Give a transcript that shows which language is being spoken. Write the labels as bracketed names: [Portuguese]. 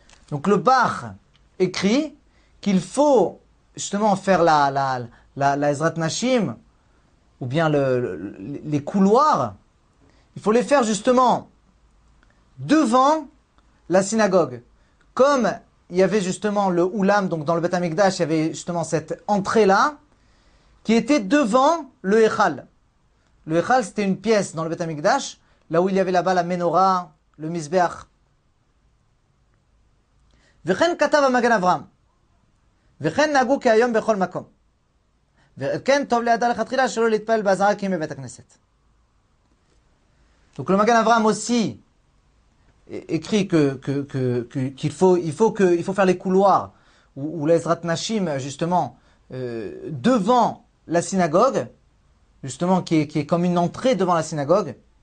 [French] Donc le Bach écrit qu'il faut justement faire la Ezrat Nashim ou bien les couloirs, il faut les faire justement devant la synagogue. Comme il y avait justement le Oulam, donc dans le Beth Amikdash, il y avait justement cette entrée-là qui était devant le Echal. Le Echal, c'était une pièce dans le Beth Amikdash, là où il y avait là-bas la Menorah, le Mizbeach. [Hebrew] וכן כתב המגן אברהם, וכן נהגו כהיום בכל מקום. וכן טוב לידע לך תחילה שלא להתפעל בעזרה כי אם בבית הכנסת. [French] Donc le magan Avram aussi écrit qu'il faut faire les couloirs ou les Ezrat Nashim justement devant la synagogue, justement qui est comme une entrée devant la synagogue.